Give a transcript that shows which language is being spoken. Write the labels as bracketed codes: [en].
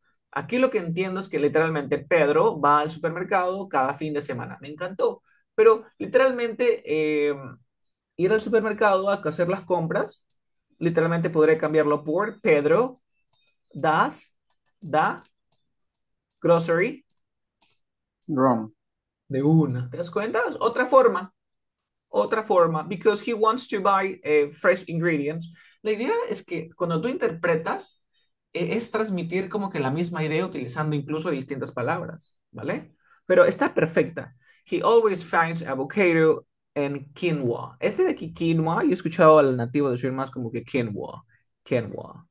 [es] Aquí lo que entiendo es que literalmente Pedro va al supermercado cada fin de semana. Me encantó. Pero literalmente ir al supermercado a hacer las compras, literalmente podré cambiarlo por Pedro da grocery. Rom. De una, ¿te das cuenta? Otra forma, [en] because he wants to buy fresh ingredients. [es] La idea es que cuando tú interpretas, es transmitir como que la misma idea utilizando incluso distintas palabras, ¿vale? Pero está perfecta. [en] He always finds avocado and quinoa. [es] Este de aquí, quinoa, yo he escuchado al nativo decir más como que quinoa, quinoa.